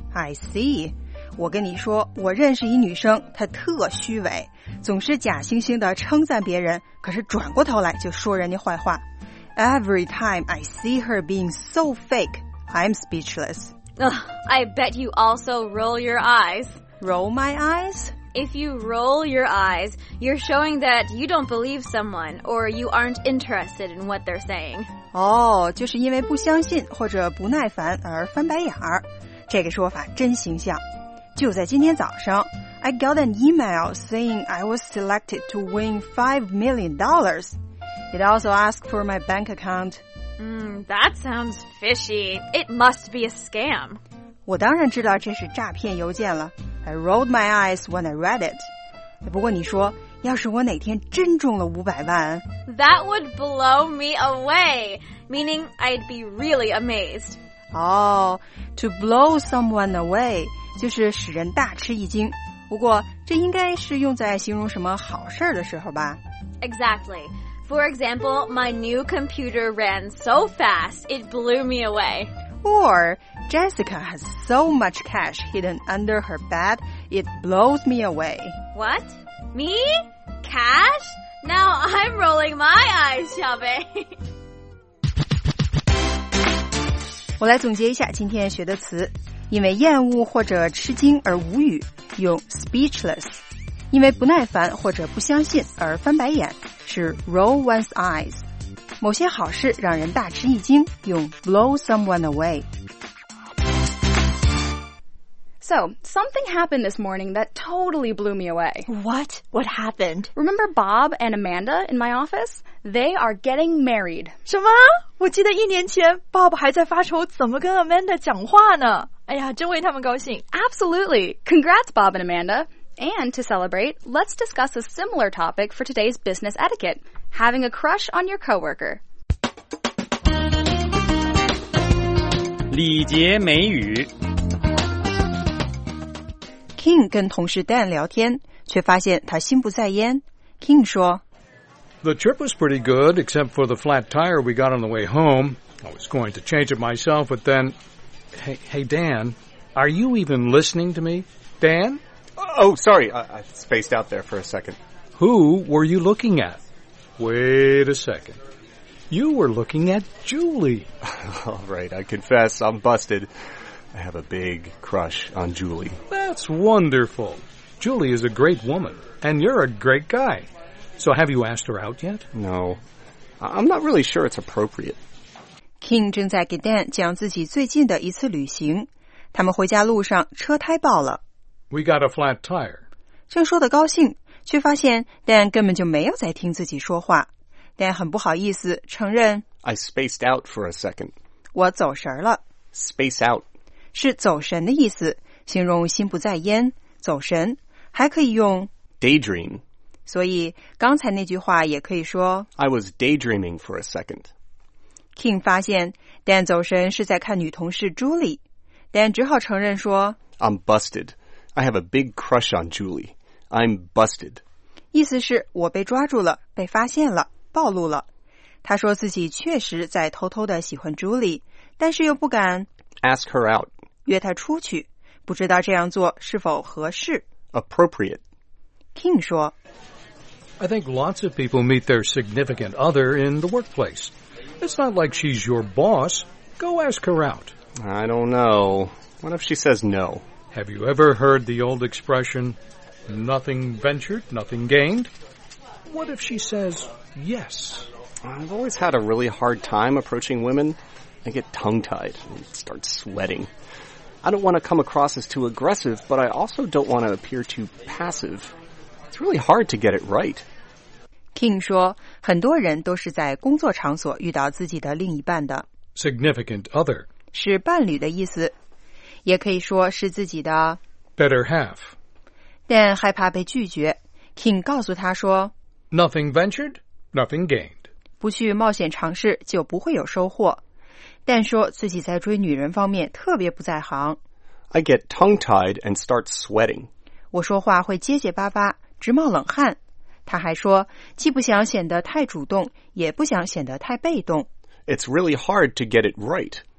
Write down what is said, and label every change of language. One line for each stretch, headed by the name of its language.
English: I see.
Chinese: 我跟你说，我认识一女生，她特虚伪，总是假惺惺地称赞别人，可是转过头来就说人家坏话。
English: Every time I see her being so fake, I'm speechless. Ugh, I bet you also roll your eyes. Roll my eyes? If you roll your eyes, you're showing that you don't believe someone or you aren't interested in what they're saying.
Chinese: 哦，就是因为不相信或者不耐烦而翻白眼儿。这个说法真形象。就在今天早上
English: I got an email saying I was selected to win $5 million. It also asked for my bank account. That sounds fishy. It must be a scam.
Chinese: 我当然知道这是诈骗邮件了。
English: I rolled my eyes when I read it.
Chinese: 不过你说，要是我哪天真中了500万
English: That would blow me away. Meaning, I'd be really amazed. Oh, to blow someone away
Chinese: 就是使人大吃一惊。不过这应该是用在形容什么好事的时候吧。
English: Exactly. For example, my new computer ran so fast, it blew me away. Or, Jessica has so much cash hidden under her bed, it blows me away. What? Me? Cash? Now I'm rolling my eyes, 小贝。
Chinese: 我来总结一下今天学的词。因为厌恶或者吃惊而无语，用 speechless。因为不耐烦或者不相信而翻白眼。是
English: roll one's eyes
Chinese: 某些好事让人大吃一惊用
English: blow someone away So, something happened this morning that totally blew me away What? What happened? Remember Bob and Amanda in my office? They are getting married
Chinese: 什么？我记得一年前 Bob 还在发愁怎么跟 Amanda 讲话呢哎呀，真为他们高兴
English: Absolutely, congrats Bob and AmandaAnd to celebrate, let's discuss a similar topic for today's business etiquette, having a crush on your coworker.
Chinese: 礼节美语 King 跟同事 Dan 聊天，却发现他心不在焉。King 说
English: The trip was pretty good, except for the flat tire we got on the way home. I was going to change it myself, but then... Hey, Dan, are you even listening to me? Dan? Oh, sorry, I spaced out there for a second. Who were you looking at? Wait a second. You were looking at Julie. All right, I confess, I'm busted. I have a big crush on Julie. That's wonderful. Julie is a great woman, and you're a great guy. So have you asked her out yet? No, I'm not really sure it's appropriate.
Chinese: King 正在给 Dan 讲自己最近的一次旅行。他们回家路上车胎爆了。
English: We got a flat tire.
Chinese: 正说得高兴，却发现 Dan 根本就没有在听自己说话。 Dan 很不好意思承认
English: I spaced out for a second.
Chinese: 我走神了。
English: Space out.
Chinese: 是走神的意思，形容心不在焉，走神。还可以用
English: daydream.
Chinese: 所以刚才那句话也可以说
English: I was daydreaming for a second.
Chinese: King 发现 Dan 走神是在看女同事 Julie. Dan 只好承认说
English: I'm busted. I have a big crush on Julie. I'm busted.
Chinese: 意思是我被抓住了，被发现了，暴露了。他说自己确实在偷偷地喜欢 Julie, 但是又不敢
English: Ask her out.
Chinese: 约她出去，不知道这样做是否合适。
English: Appropriate.
Chinese: King 说
English: I think lots of people meet their significant other in the workplace. It's not like she's your boss. Go ask her out. I don't know. What if she says no? Have you ever heard the old expression, nothing ventured, nothing gained? What if she says yes? I've always had a really hard time approaching women. I get tongue-tied and start sweating. I don't want to come across as too aggressive, but I also don't want to appear too passive. It's really hard to get it right.
Chinese: King 说很多人都是在工作场所遇到自己的另一半的
English: Significant other
Chinese: 是伴侣的意思也可以说是自己的
English: Better half
Chinese: Dan 害怕被拒绝 King 告诉他说
English: Nothing ventured, nothing gained
Chinese: 不去冒险尝试就不会有收获 Dan 说自己在追女人方面特别不在行
English: I get tongue-tied and start sweating
Chinese: 我说话会结结巴巴直冒冷汗他还说既不想显得太主动也不想显得太被动
English: It's really hard to get it right